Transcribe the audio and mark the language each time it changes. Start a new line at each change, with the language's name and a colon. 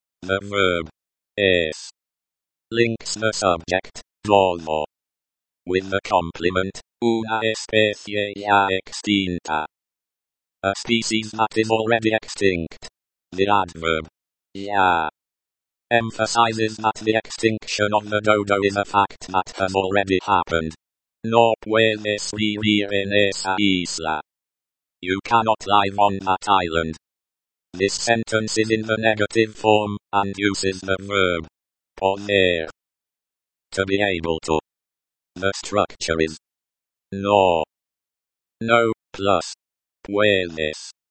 English: The verb, es, links the subject, dodo, with the complement,
Spanish: una especie ya extinta.
English: A species that is already extinct. The adverb, ya, emphasizes that the extinction of the dodo is a fact that has already happened.
Spanish: No puedes vivir en esa isla.
English: You cannot live on that island. This sentence is in the negative form, and uses the verb, poner, to be able to. The structure is, no, no, plus, puedes.